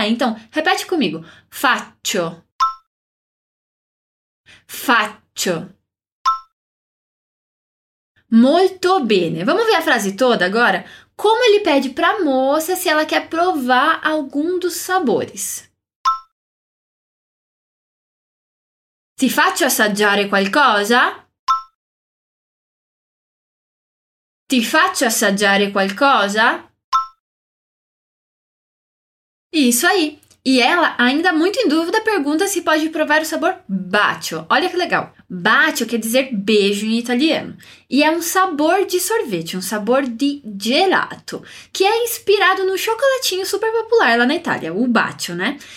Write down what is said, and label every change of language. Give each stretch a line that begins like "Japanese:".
Portuguese: Então, repete comigo, faccio, faccio.
Italian: Molto bene.
Portuguese: Vamos ver a frase toda agora? Como ele pede para a moça se ela quer provar algum dos sabores?
Italian: Ti faccio assaggiare qualcosa? Ti faccio assaggiare qualcosa?
Portuguese: Isso aí! E ela, ainda muito em dúvida, pergunta se pode provar o sabor bacio. Olha que legal! Bacio quer dizer beijo em italiano. E é um sabor de sorvete, um sabor de gelato, que é inspirado no chocolatinho super popular lá na Itália, o bacio, né?